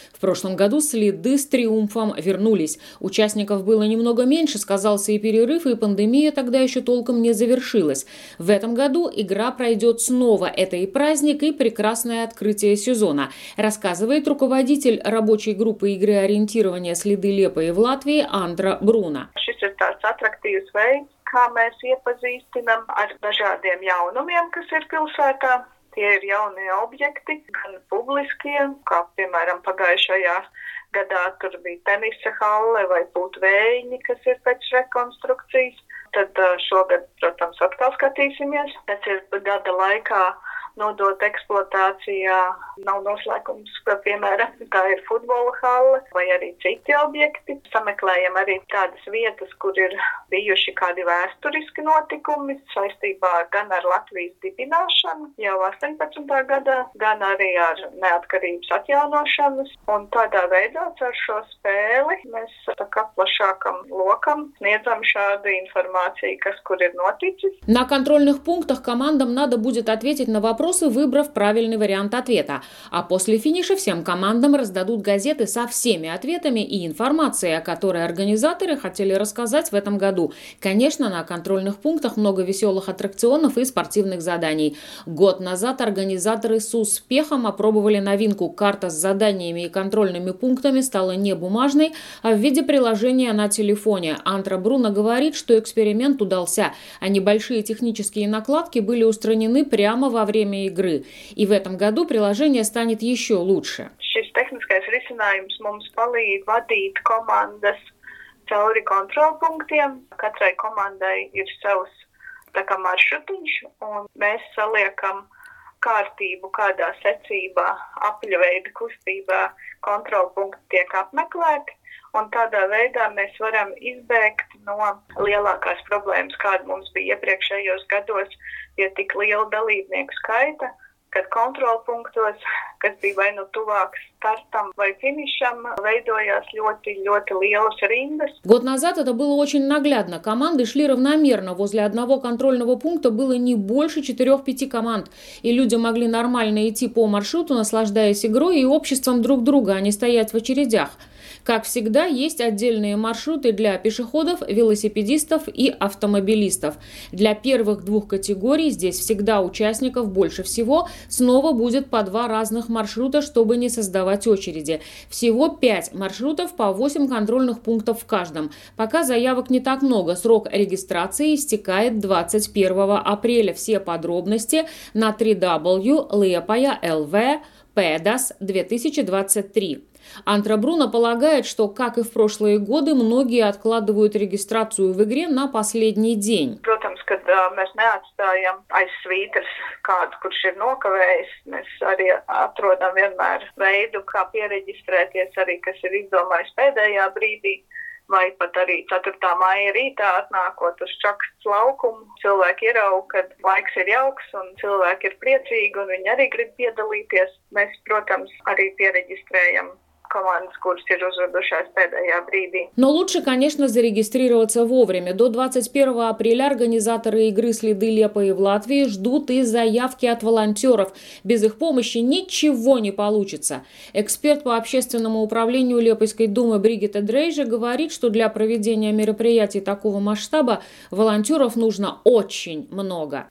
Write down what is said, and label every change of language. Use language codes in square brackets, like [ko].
[ru] В прошлом году «Следы» с триумфом вернулись. Участников было немного меньше, сказался и перерыв, и пандемия тогда еще толком не завершилась. В этом году игра пройдет снова. Это и праздник, и прекрасное открытие сезона. Рассказывает руководитель рабочей группы игры ориентирования «Следы Лепы» в Латвии Анна. [lv] Šis ir tāds attraktīvs veids, kā mēs iepazīstinām ar dažādiem jaunumiem, kas ir pilsētā. Tie ir jaunie objekti, gan publiskie, kā piemēram pagājušajā gadā tur bija tenisa halle vai būtu vējiņi, kas ir pēc rekonstrukcijas. Tad šogad, protams, atkal skatīsimies. Tas ir gada laikā nodot eksploatācijā nav noslēgums, ka, piemēram, tā ir futbola halle vai arī citi objekti. Sameklējam arī tādas vietas, kur ir bijuši kādi vēsturiski notikumi saistībā gan ar Latvijas dibināšanu jau 18. Gadā, gan arī ar neatkarības atjaunošanas. Un tādā veidā ar šo spēli mēs tā kā plašākam lokam sniedzam šādu informāciju, kas kur ir noticis. [ru] Na kontrolnih punktah komandam nada būdēt atvietit na вопросы, выбрав правильный вариант ответа. А после финиша всем командам раздадут газеты со всеми ответами и информацией, о которой организаторы хотели рассказать в этом году. Конечно, на контрольных пунктах много веселых аттракционов и спортивных заданий. Год назад организаторы с успехом опробовали новинку. Карта с заданиями и контрольными пунктами стала не бумажной, а в виде приложения на телефоне. Антра Бруно говорит, что эксперимент удался, а небольшие технические накладки были устранены прямо во время игры. И в этом году приложение станет еще лучше. [lv] Šis tehniskais risinājums mums palīdz vadīt komandas cauri kontrolpunktiem. Katrai komandai ir savs tā kā maršrutiņš, un mēs saliekam kārtību, kādā secībā apļveida kustībā kontrolpunkti tiek apmeklēti. Un tādā veidā mēs varam izbēgt no lielākās problēmas, kāda mums bija iepriekšējos gados, ja tik liela dalībnieku skaita, kad kontrolpunktos, kas bija vai nu tuvāk startam vai finišam, veidojās ļoti, ļoti lielas rindas. [ru] Год назад это было очень наглядно. Команды шли равномерно. Возле одного контрольного пункта было не больше 4-5 команд. И люди могли нормально идти по маршруту, наслаждаясь игрой и обществом друг друга, а не стоять в очередях. Как всегда, есть отдельные маршруты для пешеходов, велосипедистов и автомобилистов. Для первых двух категорий здесь всегда участников больше всего. Снова будет по два разных маршрута, чтобы не создавать очереди. Всего 5 маршрутов по 8 контрольных пунктов в каждом. Пока заявок не так много. Срок регистрации истекает 21 апреля. Все подробности на www.liepaja.lv/pedas2023. Антра Бруно полагает, что, как и в прошлые годы, многие откладывают регистрацию в игре на последний день. [lv] Protams, kad mēs neatstājam aiz svītras kādu, kurš ir nokavējis, mēs arī atrodam vienmēr veidu, kā piereģistrēties arī, kas ir izdomājis pēdējā brīdī, vai pat arī 4. Maija rītā atnākot uz čakstu laukumu. Cilvēki ierauga, kad laiks ir jauks un cilvēki ir priecīgi un viņi arī grib piedalīties. Mēs, protams, arī piereģistrējam [ru] команды, которые разыгрывались в последний брифи. Но лучше, конечно, зарегистрироваться вовремя. До 21 апреля организаторы игры «Следы Лепы» в Латвии ждут и заявки от волонтеров. Без их помощи ничего не получится. Эксперт по общественному управлению Лепойской думы Бригита Дрейжа говорит, что для проведения мероприятий такого масштаба волонтеров нужно очень много.